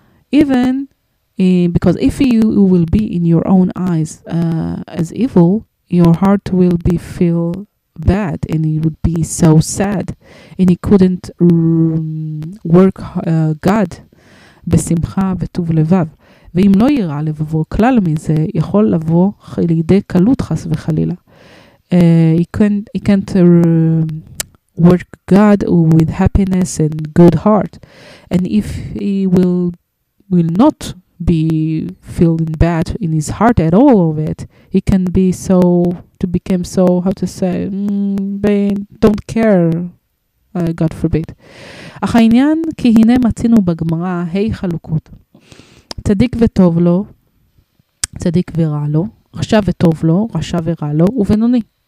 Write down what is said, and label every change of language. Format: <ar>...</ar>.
<en>Even because if you will be in your own eyes as evil, your heart will be feel bad and it would be so sad and it couldn't work God</en> <he>בשמחה וטוב לבב. ואם לא יראה לבבו כלל מזה, יכול לבוא לידי קלות חס וחלילה.</he> <en>He can't work God with happiness and good heart. And if he will not be feeling bad in his heart at all of it, he can be so, to become so, how to say, don't care, God forbid.</en> <he>אך העניין כי הנה מצינו בגמרא, היי חלוקות. צדיק וטוב לו, צדיק ורע לו, רשע וטוב לו, רשע ורע לו, ובינוני.</he>